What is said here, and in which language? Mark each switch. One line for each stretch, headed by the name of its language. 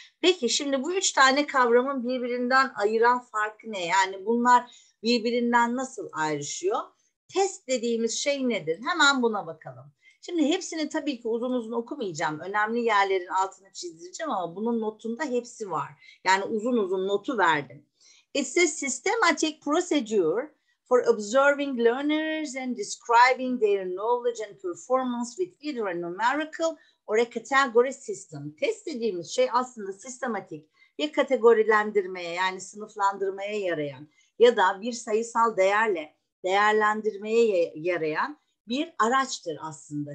Turkish: Peki şimdi bu üç tane kavramın birbirinden ayıran farkı ne? Yani bunlar birbirinden nasıl ayrışıyor? Test dediğimiz şey nedir? Hemen buna bakalım. Şimdi hepsini tabii ki uzun uzun okumayacağım. Önemli yerlerin altını çizdireceğim ama bunun notunda hepsi var. Yani uzun uzun notu verdim.
English: It's a systematic procedure for observing learners and describing their knowledge and performance with either a numerical or a category system.
Turkish: Test dediğimiz şey aslında sistematik ya kategorilendirmeye yani sınıflandırmaya yarayan ya da bir sayısal değerle değerlendirmeye yarayan bir araçtır aslında.